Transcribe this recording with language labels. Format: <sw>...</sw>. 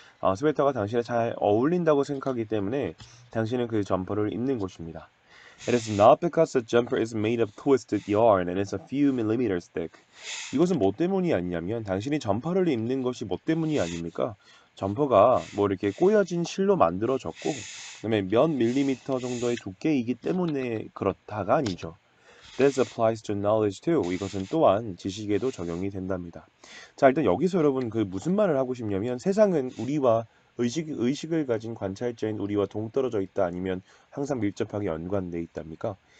<ko>스웨터가 당신에 잘 어울린다고 생각하기 때문에 당신은 그 점퍼를 입는 것입니다.</ko> <en>It is not because the jumper is made of twisted yarn and is a few millimeters thick.</en> <ko>이것은 뭐 때문이 아니냐면 당신이 점퍼를 입는 것이 뭐 때문이 아닙니까? 점퍼가 뭐 이렇게 꼬여진 실로 만들어졌고, 그다음에 몇 밀리미터 정도의 두께이기 때문에 그렇다가 아니죠.</ko> <en>This applies to knowledge too.</en> <ko>이것은 또한 지식에도 적용이 된답니다. 자, 일단 여기서 여러분 그 무슨 말을 하고 싶냐면 세상은 우리와 의식을 가진 관찰자인 우리와 동떨어져 있다 아니면 항상 밀접하게 연관돼 있답니까?</ko>